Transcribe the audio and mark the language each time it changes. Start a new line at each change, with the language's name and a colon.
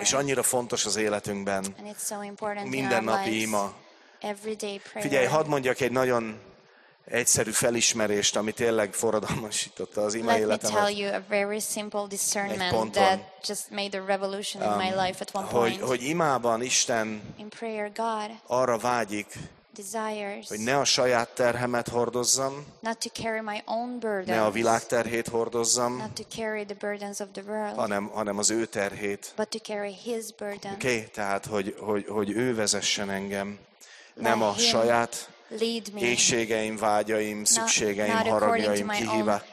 Hungarian: És annyira fontos az életünkben.
English: And it's so important
Hungarian: mindennapi
English: in our
Hungarian: ima.
English: Everyday prayer.
Hungarian: Figyelj, hadd mondjak egy nagyon egyszerű felismerést, ami tényleg forradalmasította az ima életemet.
English: Let me tell you a very simple discernment that just made a revolution in my life at one point.
Hungarian: Hogy imában Isten
English: in prayer, God,
Hungarian: arra vágyik,
English: desires,
Hungarian: hogy ne a saját terhemet hordozzam,
English: not to carry my own burdens,
Hungarian: ne a világ terhét hordozzam,
English: not to carry the burdens of the world,
Hungarian: hanem az ő terhét,
English: but to carry his burden.
Hungarian: Okay, tehát hogy ő vezessen engem, nem a saját éhségeim, vágyaim, szükségeim, haragjaim kihíva,